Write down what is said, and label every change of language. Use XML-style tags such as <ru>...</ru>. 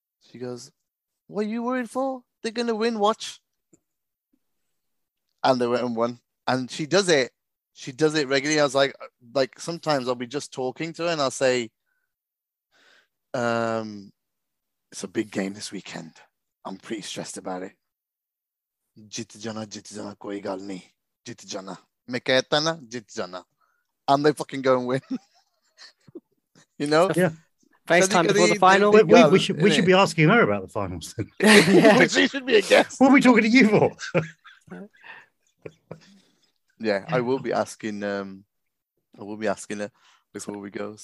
<en>She goes, what are you worried for? They're going to win, watch. And they went and won. And she does it. She does it regularly. I was like sometimes I'll be just talking to her and I'll say, it's a big game this weekend. I'm pretty stressed about it.</en> <pa>ਜਿੱਤ ਜਾਣਾ, ਕੋਈ ਗੱਲ ਨਹੀਂ. ਜਿੱਤ ਜਾਣਾ. ਮੈਂ ਕਹਿਤਾ ਨਾ, ਜਿੱਤ ਜਾਣਾ.</pa> <en>And they fucking go and win. You know? Yeah. FaceTime before the final. We should be asking her about the finals. She should be a guest. What are we talking to you for? Yeah, I will be asking. I will be asking her before we go.</en>